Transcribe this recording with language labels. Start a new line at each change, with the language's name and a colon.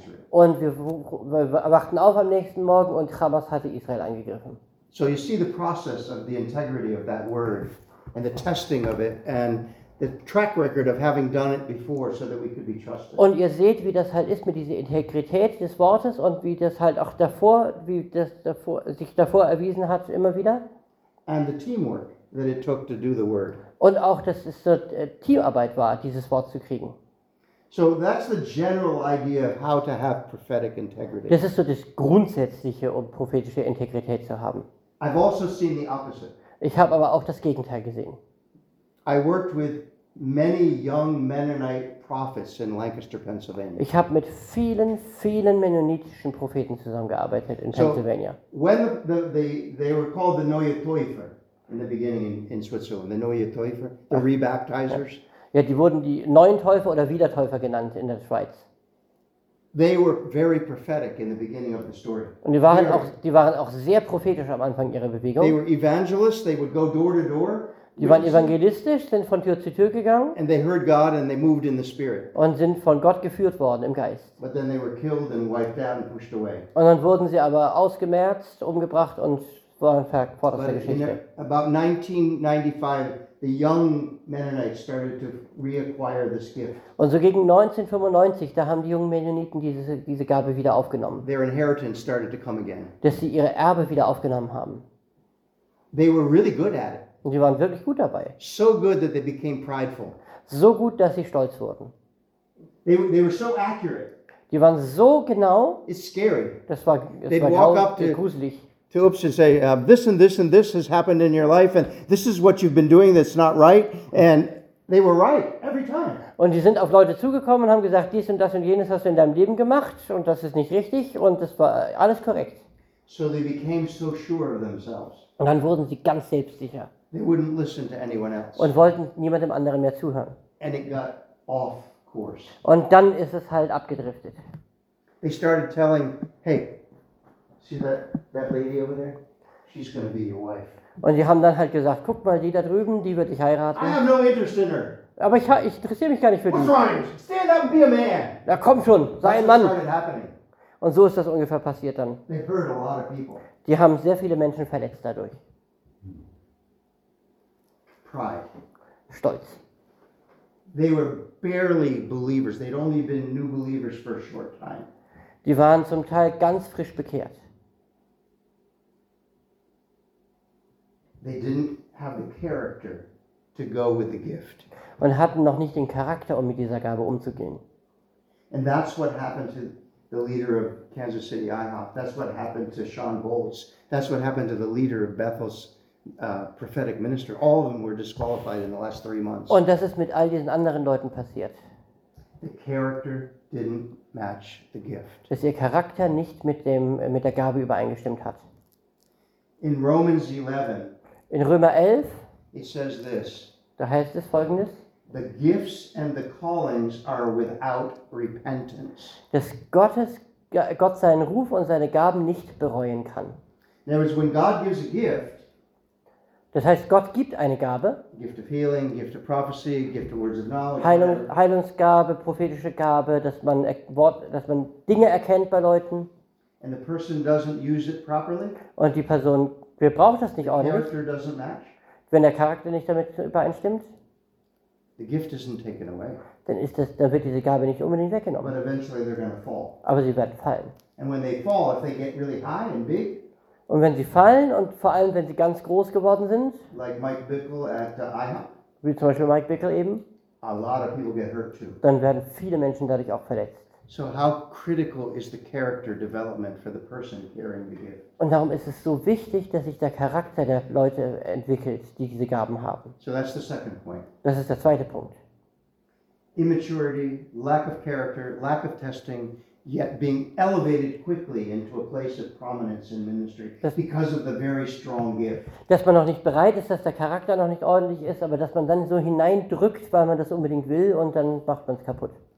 German: Und wir wachten auf am nächsten Morgen und Hamas hatte Israel angegriffen.
English: So you see the process of the integrity of that word and the testing of it and the track record of having done it before so that we could be trusted.
German: Und ihr seht, wie das halt ist mit dieser Integrität des Wortes und wie das halt auch davor, wie das davor, sich davor erwiesen hat immer wieder.
English: And the teamwork that it took to do the word.
German: Und auch, dass es so Teamarbeit war, dieses Wort zu kriegen.
English: So that's the general idea of how to have prophetic integrity.
German: Das ist so das Grundsätzliche, um prophetische Integrität zu haben.
English: I've also seen the opposite.
German: Ich habe aber auch das Gegenteil gesehen.
English: I worked with many young Mennonite prophets in Lancaster, Pennsylvania.
German: Ich habe mit vielen, vielen mennonitischen Propheten zusammengearbeitet in Pennsylvania.
English: So when they were called the Neue Taufe. In the beginning in Switzerland, the Neue Täufer, the Rebaptizers.
German: Ja, die wurden die Neuen Täufer oder Wiedertäufer genannt in der Schweiz.
English: They were very prophetic in the beginning of the story.
German: Und die waren auch sehr prophetisch am Anfang ihrer Bewegung.
English: They were evangelists, they would go door to door.
German: Die waren evangelistisch, sind von Tür zu Tür gegangen.
English: And they heard God and they moved in the spirit.
German: Und sind von Gott geführt worden im Geist.
English: But then they were killed and wiped out and pushed away.
German: Und dann wurden sie aber ausgemerzt, umgebracht und
English: About 1995, the young Mennonites started to reacquire this gift.
German: Und so gegen 1995, da haben die jungen Mennoniten diese Gabe wieder aufgenommen.
English: Their inheritance started to come again.
German: Dass sie ihre Erbe wieder aufgenommen haben.
English: They were really good at it.
German: Und sie waren wirklich gut dabei.
English: So good that they became prideful.
German: So gut, dass sie stolz wurden.
English: They were so accurate.
German: Die waren so genau.
English: It's scary.
German: Das war gruselig.
English: To oops and say this and this and this has happened in your life and this is what you've been doing that's not right and they were right every time.
German: Und die sind auf Leute zugekommen und haben gesagt, dies und das und jenes hast du in deinem Leben gemacht und das ist nicht richtig und das war alles korrekt.
English: So they became so sure of themselves.
German: Und dann wurden sie ganz selbstsicher.
English: They wouldn't listen to anyone else.
German: Und wollten niemandem anderen mehr zuhören.
English: And it got off course.
German: Und dann ist es halt abgedriftet.
English: They started telling, hey. See that lady over there? She's going to be your wife.
German: Und sie haben dann halt gesagt, guck mal, die da drüben, die wird dich heiraten.
English: I have no interest in her.
German: Aber ich interessiere mich gar nicht für
English: What's
German: die.
English: What's wrong? Stand up and be a man.
German: Na komm schon, sei ein Mann.
English: Started happening.
German: Und so ist das ungefähr passiert dann.
English: They hurt a lot of people.
German: Die haben sehr viele Menschen verletzt dadurch.
English: Pride.
German: Stolz.
English: They were barely believers. They'd only been new believers for a short time.
German: Die waren zum Teil ganz frisch bekehrt.
English: They didn't have the character to go with the gift.
German: Und hatten noch nicht den Charakter, um mit dieser Gabe umzugehen.
English: And that's what happened to the leader of Kansas City IHOP. That's what happened to Sean Bolts. That's what happened to the leader of Bethel's prophetic minister. All of them were disqualified in the last 3 months.
German: Und das ist mit all diesen anderen Leuten passiert.
English: The character didn't match the gift.
German: Dass ihr Charakter nicht mit der Gabe übereingestimmt hat.
English: In Romans 11.
German: In Römer 11.
English: It says this.
German: Da heißt es folgendes.
English: The gifts and the callings are without repentance.
German: Dass Gott seinen Ruf und seine Gaben nicht bereuen kann.
English: In other words, when God gives a gift,
German: Das heißt, Gott gibt eine Gabe.
English: Gift of healing, gift of prophecy, gift of words of knowledge.
German: Heilung, Heilungsgabe, prophetische Gabe, dass man Dinge erkennt bei Leuten.
English: And the person doesn't use it properly.
German: Und die Person gebraucht das nicht ordentlich.
English: The character doesn't match.
German: Wenn der Charakter nicht damit übereinstimmt.
English: The gift isn't taken away.
German: Dann ist das, dann wird diese Gabe nicht unbedingt weggenommen.
English: But eventually they're going to fall.
German: Aber sie werden fallen.
English: And when they fall, if they get really high and big.
German: Und wenn sie fallen und vor allem wenn sie ganz groß geworden sind,
English: like Mike Bickle at IHOP,
German: wie zum Beispiel Mike Bickle eben,
English: a lot of people get hurt too.
German: Dann werden viele Menschen dadurch auch verletzt.
English: So how critical is the character development for the person hearing the gift?
German: Und darum ist es so wichtig, dass sich der Charakter der Leute entwickelt, die diese Gaben haben.
English: So that's the second point.
German: Das ist der zweite Punkt.
English: Immaturity, lack of character, lack of testing. Yet being elevated quickly into a place of prominence in ministry because of the very strong gift.
German: Dass man noch nicht bereit ist, dass der Charakter noch nicht ordentlich ist, aber dass man dann so hineindrückt, weil man das unbedingt will, und dann macht man es kaputt.